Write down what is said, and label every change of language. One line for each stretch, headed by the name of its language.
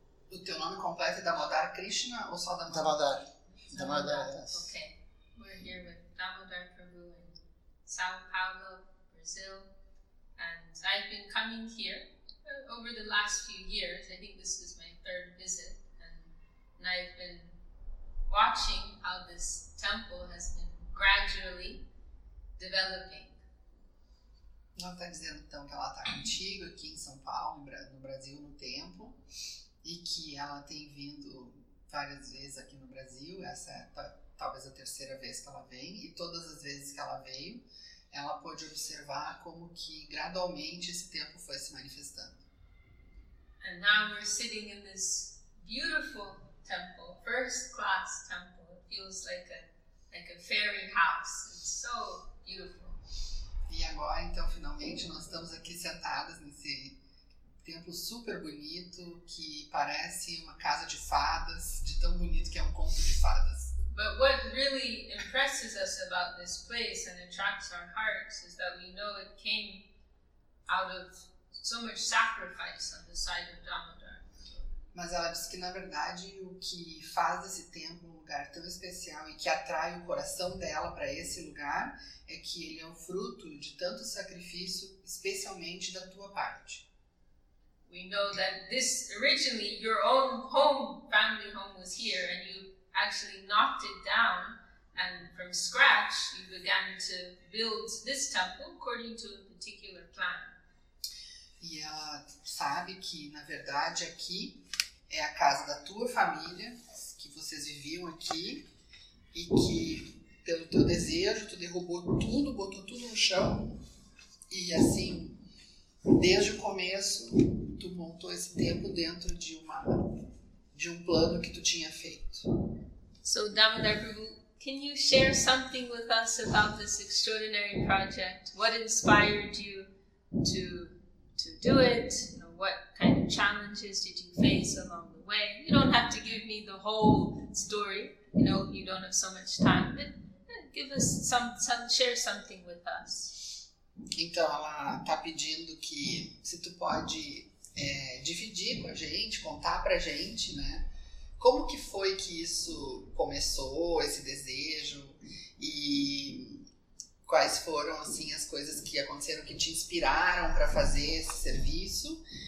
Portuguese: O teu nome completo é Damodar Krishna ou só Damodar? Damodar.
English: Okay. We're here with Damodar Prabhu in São Paulo, Brazil. And I've been coming here over the last few years. I think this is my third visit. And I've been watching how this temple has been gradually developing.
Portuguese: Ela está dizendo então que ela está contigo aqui em São Paulo, no Brasil, no templo, e que ela tem vindo várias vezes aqui no Brasil, essa é talvez a terceira vez que ela vem, e todas as vezes que ela veio, ela pôde observar como que gradualmente esse templo foi se manifestando.
English: And now we're sitting in this beautiful temple, first class temple. It feels like a fairy house. It's so beautiful.
Portuguese: E agora, então, finalmente, nós estamos aqui sentadas nesse templo super bonito que parece uma casa de fadas, de tão bonito que é um conto de fadas.
English: But what really impresses us about this place and attracts our hearts is that we know it came out of so much sacrifice on the side of Dhamma.
Portuguese: Mas ela diz que, na verdade, o que faz esse templo um lugar tão especial e que atrai o coração dela para esse lugar é que ele é o fruto de tanto sacrifício, especialmente da tua parte.
English: We know that this originally your own home, family home was here, and you actually knocked it down, and from scratch you began to build this temple according to a particular plan.
Portuguese: E ela sabe que, na verdade, aqui é a casa da tua família, que vocês viviam aqui, e que, pelo teu desejo, tu derrubou tudo, botou tudo no chão, e assim, desde o começo, tu montou esse templo dentro de um plano que tu tinha feito.
English: So, Damodar Prabhu, can you share something with us about this extraordinary project? What inspired you to do it? What kind of challenges did you face along the way? You don't have to give me the whole story. You know, you don't have so much time. But give us some share something with us.
Portuguese: Então, ela está pedindo que se tu pode dividir com a gente, contar para a gente, né? Como que foi que isso começou, esse desejo? E quais foram, assim, as coisas que aconteceram que te inspiraram para fazer esse serviço?